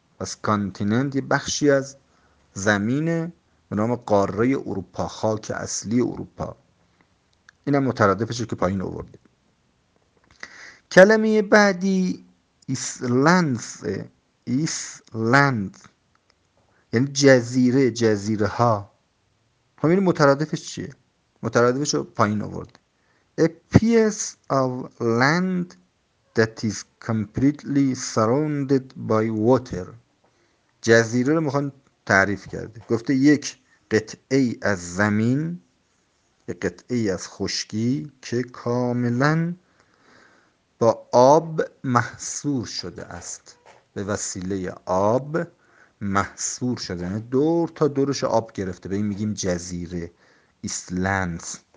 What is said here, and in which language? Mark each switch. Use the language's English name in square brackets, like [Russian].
[Persian] از کانتیننت یه بخشی از زمینه به نام قاره اروپا، خاک اصلی اروپا. اینم مترادفشه که پایین آوردیم. کلمه بعدی ایسلندس، ایسلند یعنی جزیره، جزیره ها. خب این مترادفش چیه؟ مترادفش رو پایین آورد. [English] A piece of land that is completely surrounded by water. [Persian] جزیره رو میخوان تعریف کرده. گفته یک قطعه از زمین، یک قطعه از خشکی که کاملا با آب محصور شده است. به وسیله آب محصور شده، یعنی دور تا دورش آب گرفته. به این میگیم جزیره، ایسلندز.